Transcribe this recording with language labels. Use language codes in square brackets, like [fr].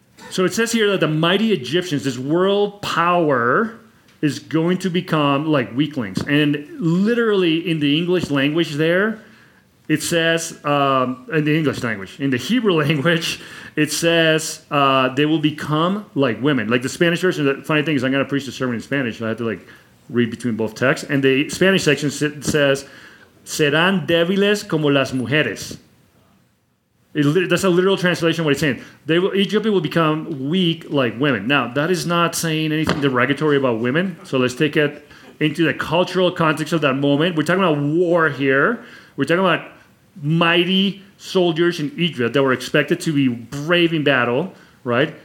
[en] So it says here that the mighty Egyptians, this world power, is going to become like weaklings. And literally in the English language there, it says, in the Hebrew language, it says they will become like women. Like the Spanish version, the funny thing is I'm going to preach the sermon in Spanish, so I have to read between both texts. And the Spanish section says, [es] serán débiles como las mujeres. [en] That's a literal translation of what it's saying. Egypt will become weak like women. Now, that is not saying anything derogatory about women. So let's take it into the cultural context of that moment. We're talking about war here. We're talking about mighty soldiers in Egypt that were expected to be brave in battle, right?